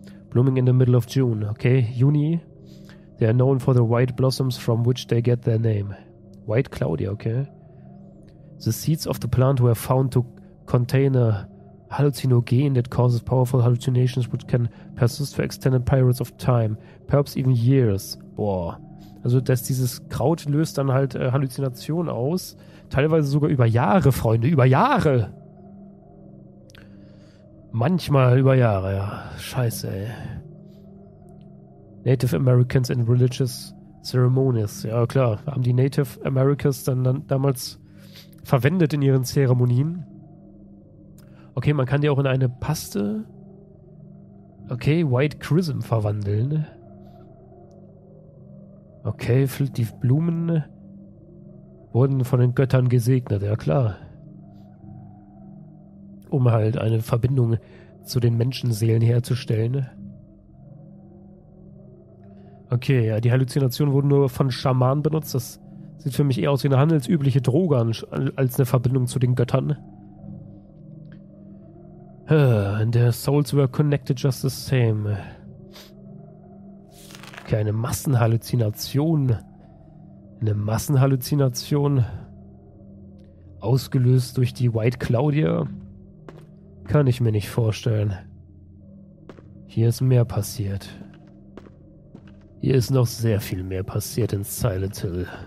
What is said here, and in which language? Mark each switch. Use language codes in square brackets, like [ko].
[en] Blooming in the middle of June, okay? Juni. They are known for the white blossoms from which they get their name. White Claudia, okay? The seeds of the plant were found to contain a hallucinogen that causes powerful hallucinations which can persist for extended periods of time, perhaps even years. Boah. [de] Also, dass dieses Kraut löst dann halt Halluzinationen aus. Teilweise sogar über Jahre, Freunde. Über Jahre! Manchmal über Jahre, ja. Scheiße, ey. [en] Native Americans in religious ceremonies. [de] Ja, klar. Haben die Native Americans dann damals verwendet in ihren Zeremonien. Okay, man kann die auch in eine Paste. Okay, White Chrism verwandeln. Okay, die Blumen wurden von den Göttern gesegnet, ja klar. Um halt eine Verbindung zu den Menschenseelen herzustellen. Okay, ja, die Halluzinationen wurden nur von Schamanen benutzt. Das sieht für mich eher aus wie eine handelsübliche Droge als eine Verbindung zu den Göttern. [en] And their souls were connected just the same. [de] Okay, eine Massenhalluzination. Eine Massenhalluzination. Ausgelöst durch die White Claudia. Kann ich mir nicht vorstellen. Hier ist mehr passiert. Hier ist noch sehr viel mehr passiert in Silent Hill.